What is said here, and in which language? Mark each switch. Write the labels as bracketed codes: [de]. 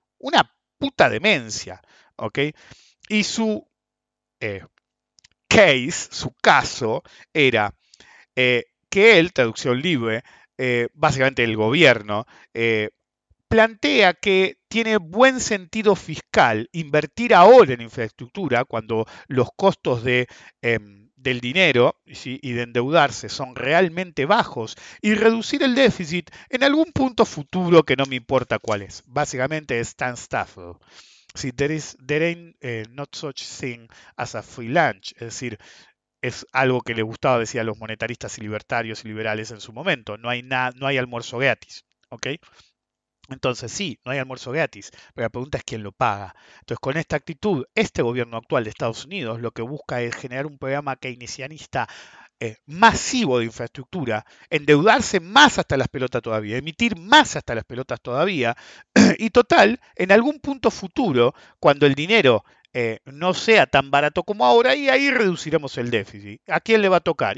[es] Una puta demencia, ¿ok? Y su case, su caso, era que él, traducción libre, básicamente el gobierno, plantea que tiene buen sentido fiscal invertir ahora en infraestructura cuando los costos del dinero, ¿sí? Y de endeudarse son realmente bajos y reducir el déficit en algún punto futuro que no me importa cuál es. Básicamente es tan estafado. [en] Sí, there ain't not such thing as a free lunch. [es] Es decir, es algo que le gustaba decir a los monetaristas y libertarios y liberales en su momento. No hay nada, no hay almuerzo gratis, ¿okay? Entonces, sí, no hay almuerzo gratis, pero la pregunta es quién lo paga. Entonces, con esta actitud, este gobierno actual de Estados Unidos lo que busca es generar un programa keynesianista masivo de infraestructura, endeudarse más hasta las pelotas todavía, emitir más hasta las pelotas todavía, y total, en algún punto futuro, cuando el dinero no sea tan barato como ahora, y ahí reduciremos el déficit. ¿A quién le va a tocar?